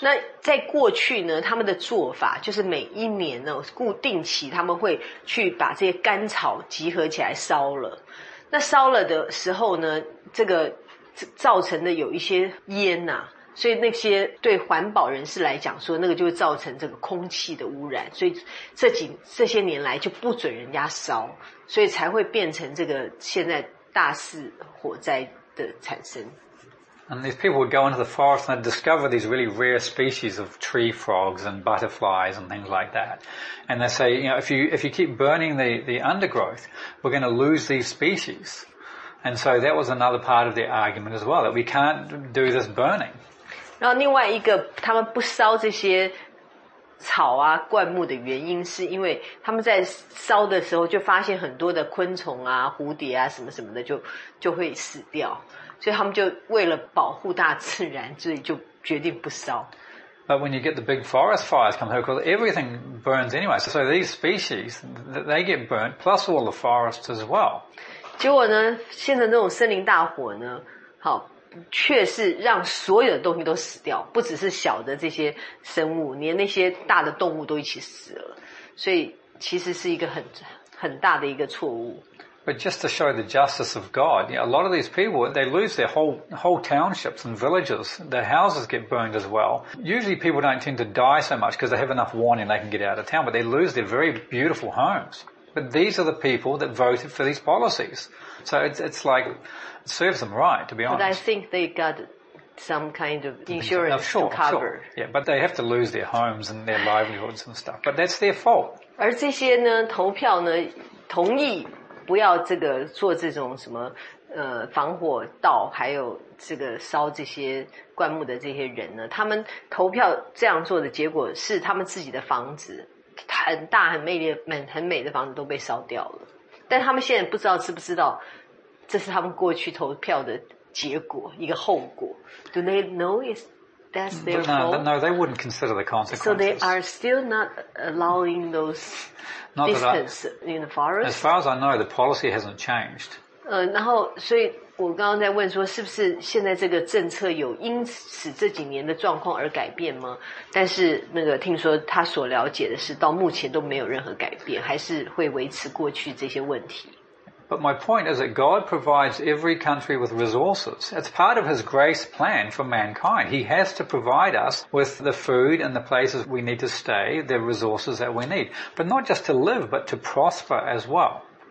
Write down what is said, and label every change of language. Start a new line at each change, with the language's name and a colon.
Chinese: 那在过去呢，他们的做法就是每一年呢，固定期他们会去把这些干草集合起来烧了。那烧了的时候呢，这个造成的有一些烟呐。所以那些对环保人士来讲说那个就会造成这个空气的污染，所以这些年来就不准人家烧，所以才会变成这个现在大肆火灾的产生。
English: And these people would go into the forest and discover these really rare species of tree frogs and butterflies and things like that. And they say, you know, if you keep burning the undergrowth, we're going to lose these species. And so that was another part of their argument as well, that we can't do this burning.
Chinese: 然后另外一个他们不烧这些草啊灌木的原因是因为他们在烧的时候就发现很多的昆虫啊蝴蝶啊什么什么的就会死掉，所以他们就为了保护大自然，所以就决定不烧。
English: But when you get the big forest fires come through, because everything burns anyway, so these species, they get burnt, plus all the forests as well.
Chinese: 结果呢，现在那种森林大火呢，好，却是让所有的东西都死掉，不只是小的这些生物，连那些大的动物都一起死了。所以其实是一个很大的一个错误。
English: But just to show the justice of God, you know, a lot of these people, they lose their whole townships and villages. Their houses get burned as well. Usually people don't tend to die so much because they have enough warning they can get out of town, but they lose their very beautiful homes. But these are the people that voted for these policies. So it's like, it serves them right, to be honest. But I think they got some kind of insurance to cover. Sure. Yeah, but they have to lose their homes and their livelihoods and stuff. But that's their fault.
Chinese: 而这些呢，投票呢，同意不要这个做这种什么防火道，还有这个烧这些灌木的这些人呢，他们投票这样做的结果是他们自己的房子，很大很美的很美的房子都被烧掉了。但他们现在不知道知不知道，这是他们过去投票的结果，一个后果。
English: Do they know it's that's their fault? No, they wouldn't consider the consequences. So they are still not allowing those distance in the forest. As far as I know, the policy hasn't changed.
Chinese: 然后所以我刚刚在问说，是不是现在这个政策有因此这几年的状况而改变吗？但是那个听说他所了解的是，到目前都没有任何改变，还是会维持过去这些问题。
English: But my point is that God provides every country with resources. It's part of His grace plan for mankind. He has to provide us with the food and the places we need to stay, the resources that we need. But not just to live, but to prosper as well.